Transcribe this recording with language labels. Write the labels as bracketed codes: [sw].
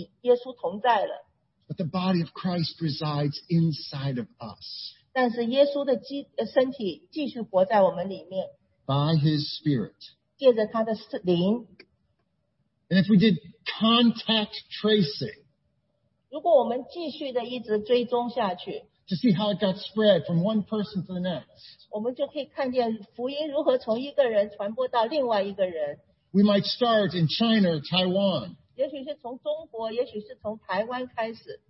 [en] But the body of Christ resides inside of us. [zh] 但是耶稣的身体继续活在我们里面, [en] by his spirit. [zh] 借着他的灵, [en] and if we did contact tracing, [zh] 如果我们继续的一直追踪下去, [en] to see how it got spread from one person to the next, [zh] 我们就可以看见福音如何从一个人传播到另外一个人, [en] we might start in China or Taiwan, [zh] 也许是从中国, 也许是从台湾开始,